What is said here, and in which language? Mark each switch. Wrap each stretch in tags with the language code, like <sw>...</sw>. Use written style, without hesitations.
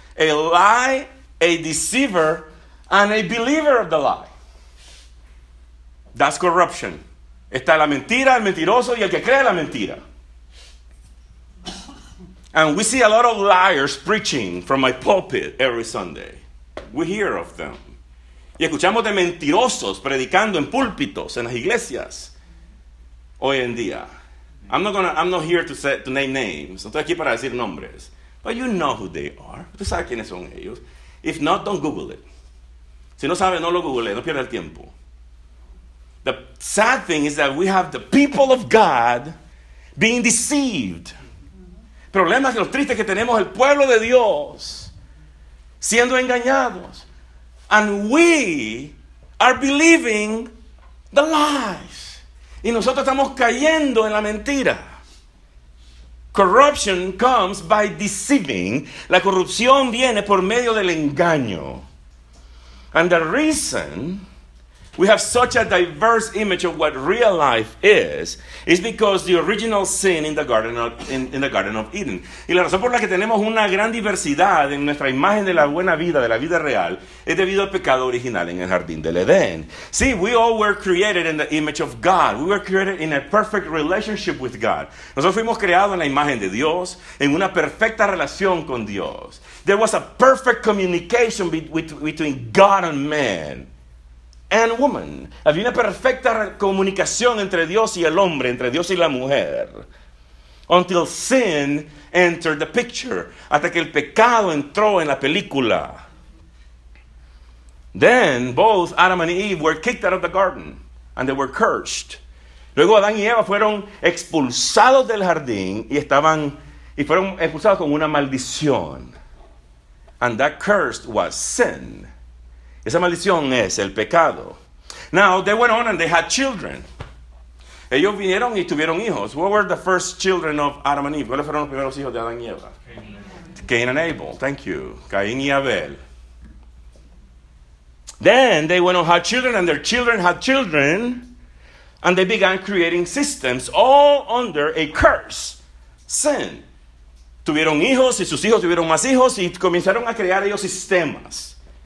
<en>A lie, a deceiver, and a believer of the lie. That's corruption.</en> <es>Está la mentira, el mentiroso y el que cree la mentira.</es> <en>And we see a lot of liars preaching from my pulpit every Sunday. We hear of them.</en> <es>Y escuchamos de mentirosos predicando en púlpitos en las iglesias hoy en día.</es> <en>I'm not here to name names.</en> <es>No estoy aquí para decir nombres.</es> <en>But you know who they are.</en> <es>Tú sabes quiénes son ellos.</es> <en>If not, don't Google it.</en> <es>Si no sabes, no lo Google. No pierdas el tiempo.</es> <en>The sad thing is that we have the people of God being deceived.</en> <es>El problema es que lo triste es que tenemos el pueblo de Dios siendo engañados.</es> <en>And we are believing the lies.</en> <es>Y nosotros estamos cayendo en la mentira.</es> <en>Corruption comes by deceiving.</en> <es>La corrupción viene por medio del engaño.</es> <en>And the reason we have such a diverse image of what real life is because the original sin in the Garden of Eden.</en> <es>Y la razón por la que tenemos una gran diversidad en nuestra imagen de la buena vida, de la vida real, es debido al pecado original en el Jardín del Edén.</es> <en>See, we all were created in the image of God. We were created in a perfect relationship with God.</en> <es>Nosotros fuimos creados en la imagen de Dios, en una perfecta relación con Dios.</es> <en>There was a perfect communication between God and man. And woman.</en> <es>Había una perfecta comunicación entre Dios y el hombre, entre Dios y la mujer.</es> <en>Until sin entered the picture.</en> <es>Hasta que el pecado entró en la película.</es> <en>Then both Adam and Eve were kicked out of the garden. And they were cursed.</en> <es>Luego Adán y Eva fueron expulsados del jardín y fueron expulsados con una maldición.</es> <en>And that curse was sin.</en> <es>Esa maldición es el pecado.</es> <en>Now, they went on and they had children.</en> <es>Ellos vinieron y tuvieron hijos.</es> <en>What were the first children of Adam and Eve?</en> <es>¿Cuáles fueron los primeros hijos de Adán y Eva?</es> <en>Cain and Abel. Thank you. Cain y Abel. Then, they went on and had children, and their children had children, and they began creating systems, all under a curse. Sin.</en> <es>Tuvieron hijos, y sus hijos tuvieron más hijos, y comenzaron a crear ellos sistemas.</es>